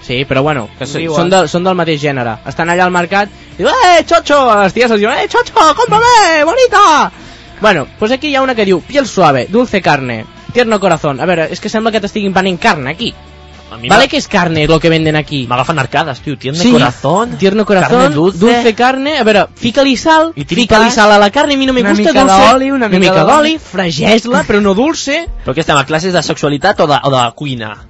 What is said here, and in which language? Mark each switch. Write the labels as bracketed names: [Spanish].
[Catalan] Sí, però bueno, que són del mateix gènere. Estan allà al mercat, diu, xocho! Les ties els diuen, xocho, [Spanish] cómprame, bonita! [Catalan] Bueno, pues aquí hi ha una que diu, [Spanish] piel suave, dulce carne, tierno corazón. [Catalan] A veure, és que sembla que t'estiguin venent carn aquí. Vale que és carne [Spanish] lo que venden aquí. [Catalan] M'agafen arcades, tio. Tierno, sí. [Spanish] Corazón. Tierno corazón. Carne dulce. [Catalan] Dulce carne. A veure, fica-li sal. Fica-li sal a la carne. A mi no m'hi gusta dulce. Una mica d'oli. Una mica d'oli. Fregeix-la, però no dulce. Però què estem, a classes de sexualitat o de cuina?